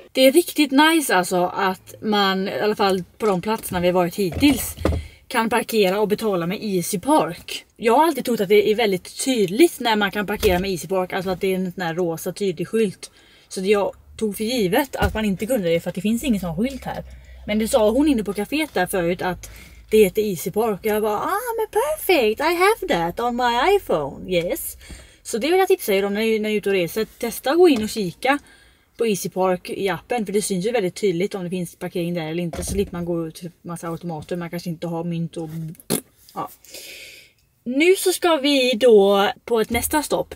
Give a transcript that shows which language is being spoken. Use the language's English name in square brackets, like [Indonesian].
[Swedish] Det är riktigt nice alltså att man, i alla fall på de platserna vi har varit hittills, kan parkera och betala med Easy Park. Jag har alltid trott att det är väldigt tydligt när man kan parkera med Easy Park, alltså att det är en sån här rosa tydlig skylt. Så jag tog för givet att man inte kunde det för att det finns ingen sån skylt här. Men det sa hon inne på kaféet där förut att det heter Easy Park. Jag bara, ah men [English] perfect, I have that on my iPhone, yes. [Swedish] Så det vill jag tipsa er om när ni är ute och reser. Testa att gå in och kika på Easy Park i appen. För det syns ju väldigt tydligt om det finns parkering där eller inte. Så slipper man gå ut till massa automater. Man kanske inte har mynt och... Ja. Nu så ska vi då på ett nästa stopp.